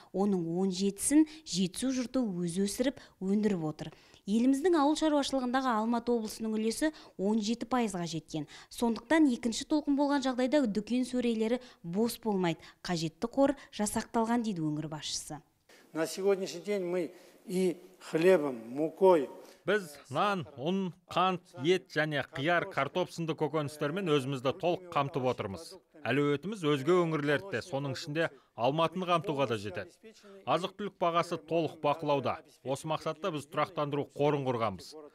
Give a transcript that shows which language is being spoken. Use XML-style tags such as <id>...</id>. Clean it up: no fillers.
<kk>Оның 17-сін Жетісу жұрты өзі өсіріп, өндіріп отыр. Еліміздің ауыл шаруашылығындағы Алматы облысының үлесі 17%-ға жеткен. Сондықтан екінші толқын болған жағдайда дүкен сөрелері бос болмайды. Қажетті қор жасақталған, дейді өңір басшысы.</kk> <ru>На сегодняшний день мы и хлебом, мукой.</ru> <kk>Біз нан, ұн, қант, ет және қияр, картоп сынды көкөністермен өзімізді толық қамтып отырмыз. Әлеуетіміз өзге өңірлерде, соның ішінде Алматыны қамтуға да жетеді. Азық түлік бағасы толық бақылауда. Осы мақсатта біз тұрақтандыру қорын құрғанбыз.</kk>